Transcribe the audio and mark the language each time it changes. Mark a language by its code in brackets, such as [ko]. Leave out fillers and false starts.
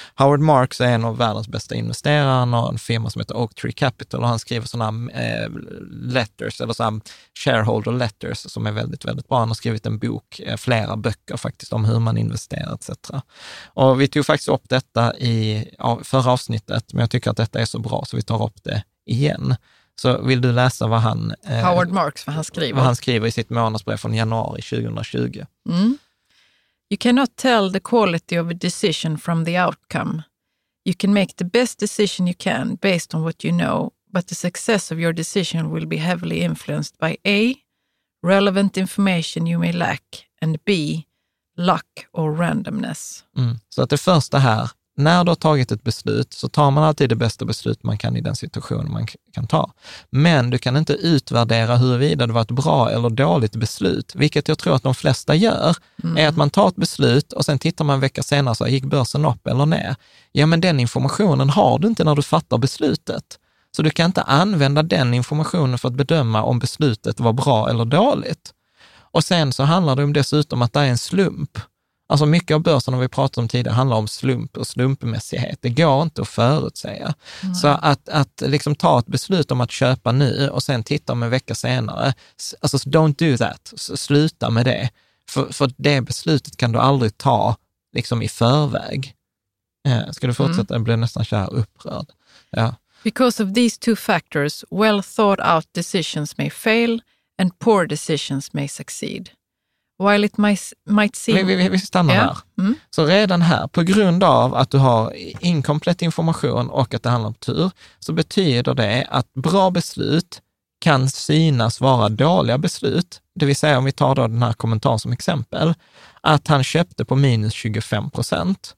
[sv] Howard Marks är en av världens bästa investerare, och en firma som heter Oaktree Capital, och han skriver sådana letters, eller sådana shareholder letters, som är väldigt, väldigt bra. Han har skrivit en bok, flera böcker faktiskt, om hur man investerar etc. Och vi tog faktiskt upp detta i förra avsnittet, men jag tycker att detta är så bra så vi tar upp det igen. Så vill du läsa vad han, Howard Marks, vad han skriver? Vad han skriver i sitt månadsbrev från januari 2020. Mm. [en] You cannot tell the quality of a decision from the outcome. You can make the best decision you can based on what you know, but the success of your decision will be heavily influenced by A, relevant information you may lack, and B, luck or randomness. Mm. [sv] Så att det första här, när du har tagit ett beslut så tar man alltid det bästa beslut man kan i den situation man kan ta. Men du kan inte utvärdera huruvida det var ett bra eller dåligt beslut. Vilket jag tror att de flesta gör är att man tar ett beslut och sen tittar man en vecka senare så här, gick börsen upp eller ner? Ja, men den informationen har du inte när du fattar beslutet. Så du kan inte använda den informationen för att bedöma om beslutet var bra eller dåligt. Och sen så handlar det om dessutom att det är en slump. Alltså mycket av börsen som vi pratat om tidigare handlar om slump och slumpmässighet. Det går inte att förutsäga. Mm. Så att liksom ta ett beslut om att köpa nu och sen titta om en vecka senare. Alltså [en] don't do that. [sv] Sluta med det. För det beslutet kan du aldrig ta liksom i förväg. Ska du fortsätta? Jag blir nästan så här upprörd. Ja. [en] Because of these two factors, well thought out decisions may fail and poor decisions may succeed. While it might seem... [sv] Vi stannar här. Mm. Så redan här, på grund av att du har inkomplett information och att det handlar om tur, så betyder det att bra beslut kan synas vara dåliga beslut. Det vill säga, om vi tar då den här kommentaren som exempel, att han köpte på minus 25%.